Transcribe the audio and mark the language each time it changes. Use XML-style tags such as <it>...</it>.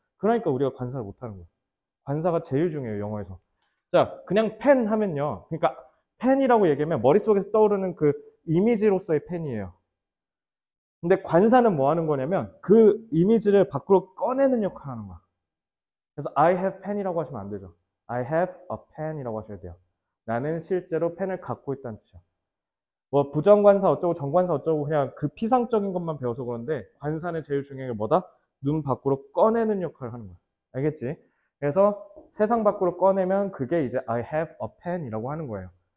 <ko>그러니까 우리가 관사를 못하는 거야. 관사가 제일 중요해요, 영어에서. 자, 그냥 펜 하면요. 그러니까 펜이라고 얘기하면 머릿속에서 떠오르는 그 이미지로서의 펜이에요. 근데 관사는 뭐 하는 거냐면 그 이미지를 밖으로 꺼내는 역할을 하는 거야. 그래서</ko> <en>I have pen</en> <ko>이라고 하시면 안 되죠.</ko> <en>I have a pen</en> <ko>이라고 하셔야 돼요. 나는 실제로 펜을 갖고 있다는 뜻이야. 뭐 부정관사 어쩌고 정관사 어쩌고 그냥 그 피상적인 것만 배워서 그런데 관사는 제일 중요한 게 뭐다? 눈 밖으로 꺼내는 역할을 하는 거야. 알겠지? 그래서 세상 밖으로 꺼내면 그게 이제</ko> <en>I have a pen</en> <ko>이라고 하는 거예요.</ko>